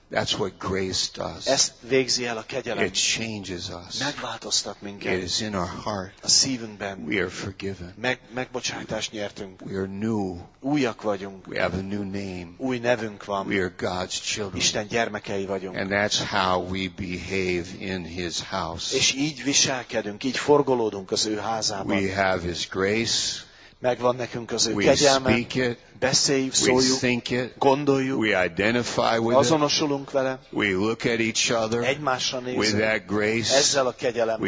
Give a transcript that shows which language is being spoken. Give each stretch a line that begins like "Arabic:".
English: That's what grace does.
Hungarian: Ezt végzi el a kegyelem.
English: It changes us.
Hungarian: Megváltoztat minket.
English: It is in our heart.
Hungarian: A szívünkben.
English: We are forgiven.
Hungarian: Megbocsátást nyertünk.
English: We are new.
Hungarian: Újak vagyunk.
English: We have a new name.
Hungarian: Új nevünk van.
English: We are God's children.
Hungarian: Isten gyermekei vagyunk.
English: And that's how we behave in His house.
Hungarian: És így viselkedünk, így forgolódunk az ő házában.
English: We have His grace.
Hungarian: Megvan nekünk az ő
English: we
Hungarian: kegyelme.
English: Speak it.
Hungarian: Beszéljük, szóljuk,
English: we think it.
Hungarian: Gondoljuk.
English: We identify with
Hungarian: azonosulunk
English: it.
Hungarian: Vele.
English: We look at each other.
Hungarian: Egymásra nézünk.
English: With that grace.
Hungarian: Ezzel a kegyelemmel.